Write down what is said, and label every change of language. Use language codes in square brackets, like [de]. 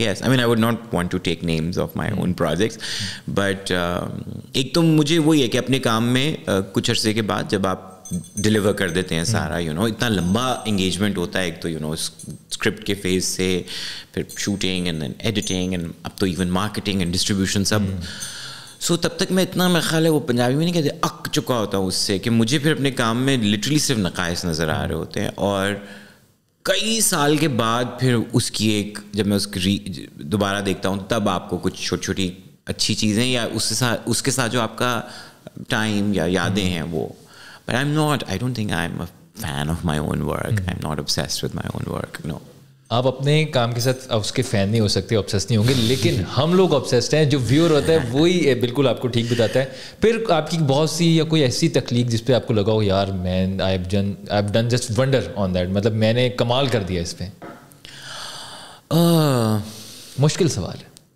[en] yes I mean I would not want to take names of my own projects, [ur] but ایک تو مجھے وہی ہے کہ اپنے کام میں کچھ عرصے کے بعد جب آپ ڈلیور کر دیتے ہیں سارا, یو نو اتنا لمبا انگیجمنٹ ہوتا ہے, ایک تو یو نو اسکرپٹ کے فیز سے پھر shooting and then editing and اب تو ایون مارکیٹنگ اینڈ ڈسٹریبیوشن سب, سو تب تک میں اتنا میرا خیال ہے وہ پنجابی میں نہیں کہتے اک چکا ہوتا ہوں اس سے کہ مجھے پھر اپنے کام میں لٹرلی صرف نقائص نظر آ رہے ہوتے ہیں. اور کئی سال کے بعد پھر اس کی ایک جب میں اس کی دوبارہ دیکھتا ہوں تب آپ کو کچھ چھوٹی چھوٹی اچھی چیزیں یا اس کے ساتھ جو آپ کا ٹائم یا یادیں ہیں وہ. [en] But I'm not, I don't think I'm a fan of my own work. I'm not obsessed with my own work, no. [ur] آپ اپنے کام کے ساتھ اس کے فین نہیں ہو سکتے, آبسیس نہیں ہوں گے, لیکن ہم لوگ آبسیسڈ ہیں. جو ویور ہوتا ہے وہی بالکل آپ کو ٹھیک بتاتا ہے. پھر آپ کی بہت سی یا کوئی ایسی تخلیق جس پہ آپ کو لگا ہو یار [en] man I done just wonder on that, [ur] مطلب میں نے کمال کر دیا اس پہ؟ مشکل سوال ہے.